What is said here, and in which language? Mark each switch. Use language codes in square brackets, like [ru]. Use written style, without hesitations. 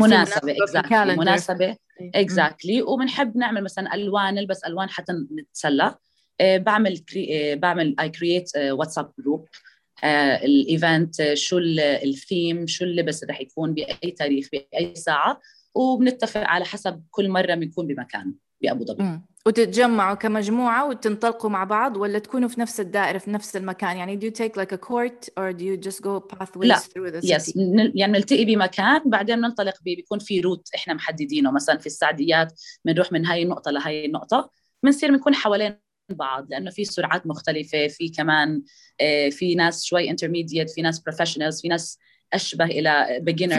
[ar] مناسبة مناسبة exactly. ومنحب نعمل مثلاً ألوان نلبس ألوان حتى نتسلى، بعمل [en] I create [ar] واتساب جروب الإيفنت شو الثيم شو اللبس رح يكون بأي تاريخ بأي ساعة، وبنتفق على حسب كل مرة بنكون بمكان بأبوظبي. وتتجمعوا كمجموعة وتنطلقوا مع بعض ولا تكونوا في نفس الدائرة في نفس المكان؟ يعني [en] do you take like a court or do you just go pathways through the city؟ yes. [ar] يعني نلتقي بمكان بعدين ننطلق بيه، بيكون في روت إحنا محددينه، مثلا في السعديات بنروح من هاي النقطة لهاي النقطة، بنصير بنكون حوالين بعض لأنه في سرعات مختلفة، في كمان في ناس شوي intermediate، في ناس professionals، في ناس أشبه إلى beginners،